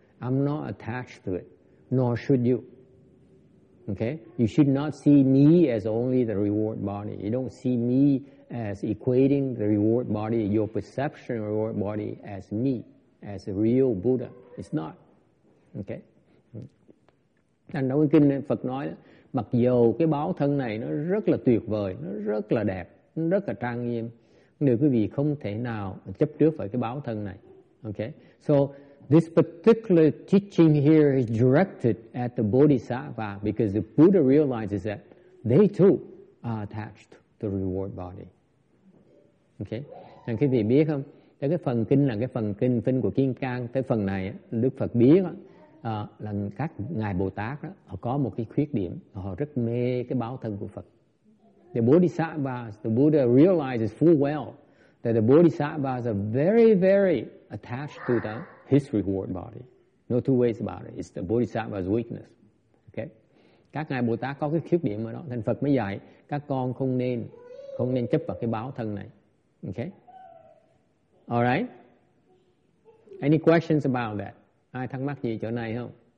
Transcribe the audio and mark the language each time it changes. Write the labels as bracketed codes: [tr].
[en] I'm not attached to it, nor should you. Okay, you should not see me as only the reward body. You don't see me as equating the reward body, your perception of reward body, as me, as a real Buddha. It's not. Okay. [vi] Anh trong kinh Phật nói, mặc dù cái báo thân này nó rất là tuyệt vời, nó rất là đẹp, nó rất là trang nghiêm, nhưng quý vị không thể nào chấp trước với cái báo thân này. [en] Okay. So this particular teaching here is directed at the Bodhisattva because the Buddha realizes that they too are attached to the reward body. Okay? [vi] Thằng quý vị biết không? Cái phần kinh là cái phần kinh phân của Kim Cang. Tới phần này, Đức Phật biết đó, là các Ngài Bồ Tát đó, họ có một cái khuyết điểm. Họ rất mê cái báo thân của Phật. [en] The Bodhisattvas, the Buddha realizes full well that the Bodhisattvas are very, very attached to the his reward body. No two ways about it. It's the Bodhisattva's weakness. Okay? [vi] Các Ngài Bồ Tát có cái khuyết điểm ở đó. Thành Phật mới dạy, các con không nên chấp vào cái báo thân này. Okay? [en] All right. Any questions about that? [vi] Ai thắc mắc gì chỗ này không?